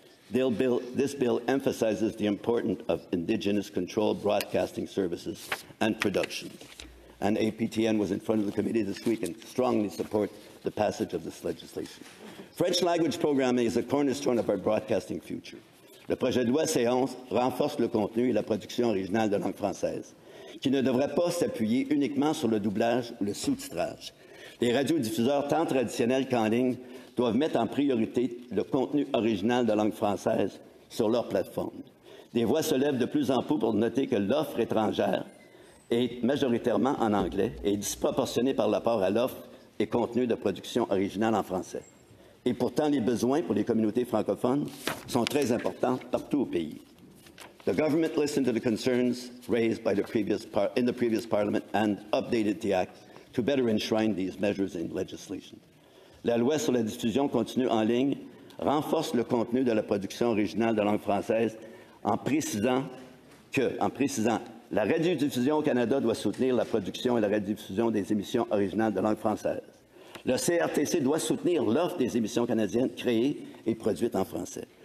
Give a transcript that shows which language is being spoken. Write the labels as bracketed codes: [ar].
[en] This bill emphasizes the importance of indigenous-controlled broadcasting services and production. And APTN was in front of the committee this week and strongly support the passage of this legislation. French language programming is a cornerstone of our broadcasting future. [fr] Le projet de loi C-11 renforce le contenu et la production originale de langue française, qui ne devrait pas s'appuyer uniquement sur le doublage ou le sous-titrage. Les radiodiffuseurs, tant traditionnels qu'en ligne, doivent mettre en priorité le contenu original de langue française sur leur plateforme. Des voix se lèvent de plus en plus pour noter que l'offre étrangère est majoritairement en anglais et disproportionnée par rapport à l'offre et contenu de production originale en français. Et pourtant, les besoins pour les communautés francophones sont très importants partout au pays. [en] The government listened to the concerns raised by the previous in the previous parliament and updated the act to better enshrine these measures in legislation. [fr] La loi sur la diffusion continue en ligne renforce le contenu de la production originale de langue française en précisant la radiodiffusion au Canada doit soutenir la production et la radiodiffusion des émissions originales de langue française. Le CRTC doit soutenir l'offre des émissions canadiennes créées et produites en français.